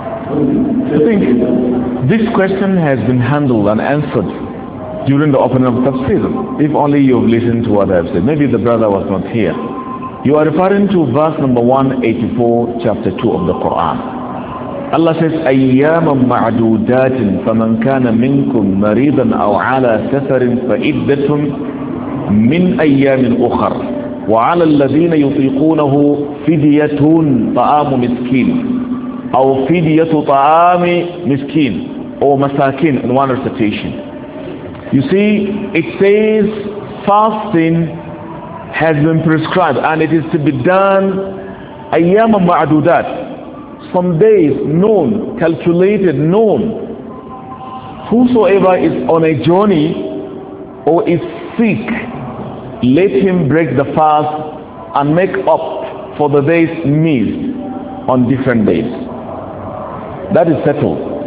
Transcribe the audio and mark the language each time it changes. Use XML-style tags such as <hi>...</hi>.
<en>I think this question has been handled and answered during the opening of Tafsir. If only you have listened to what I have said. Maybe the brother was not here. You are referring to verse number 184, chapter 2 of the Quran. Allah says,</en> <ar>أَيَّامًا مَعْدُودَاتٍ فَمَنْ كَانَ مِنْكُمْ مَرِيضًا أَوْ عَلَى سَفَرٍ فَإِدَّةٌ مِنْ أَيَّامٍ أُخَرٍ وَعَلَى الَّذِينَ يُطِيقُونَهُ فِدْيَةٌ طَعَامُ مِسْكِينٍ أو فدية طعام مسكين or مساكين</ar> <en>in one recitation. You see, it says fasting has been prescribed and it is to be done</en> <ar>أيام معدودات,</ar> <en>some days known, calculated, known. Whosoever is on a journey or is sick, let him break the fast and make up for the days missed on different days. That is settled.</en>